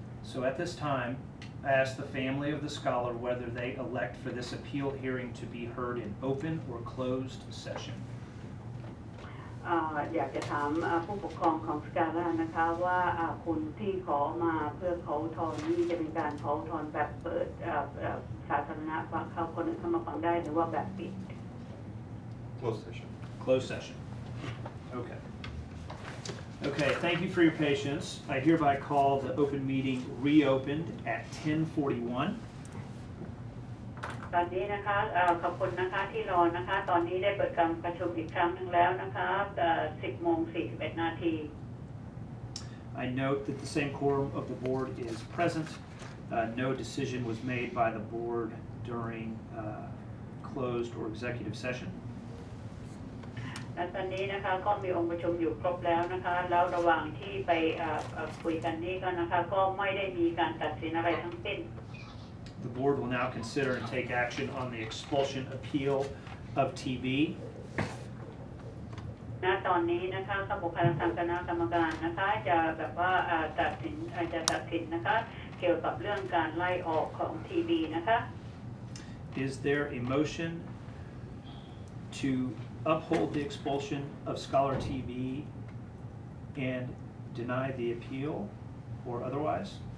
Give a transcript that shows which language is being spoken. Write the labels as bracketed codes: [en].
[en] So at this time I ask the family of the scholar whether they elect for this appeal hearing to be heard in open or closed session. [th] อยากจะถามผู้ปกครองของสกาล่านะคะว่าคุณที่ขอมาเพื่อเขาทอนนี่จะเป็นการเขาทอนแบบเปิดสาธารณะฟังเขาคนอื่นเข้ามาฟังได้หรือว่าแบบปิด [en] Closed session. Okay, thank you for your patience. I hereby call the open meeting reopened at 10:41. [th] ตอนนี้นะคะขอบคุณนะคะที่รอนะคะตอนนี้ได้เปิดการประชุมอีกครั้งนึงแล้วนะคะ 10:41 นาที [en] I note that the same quorum of the board is present. No decision was made by the board during closed or executive session. [th] ตอนนี้นะคะก็มีองค์ประชุมอยู่ครบแล้วนะคะแล้วระหว่างที่ไปคุยกันนี่ก็นะคะก็ไม่ได้มีการตัดสินอะไรทั้งสิ้น [en] The board will now consider and take action on the expulsion appeal of TB. [th] ณตอนนี้นะคะคณะบุคลากรทางคณะกรรมการนะคะจะแบบว่าตัดสินนะคะเกี่ยวกับเรื่องการไล่ออกของ TB นะคะ [en] Is there a motion to uphold the expulsion of Scholar TB and deny the appeal or otherwise?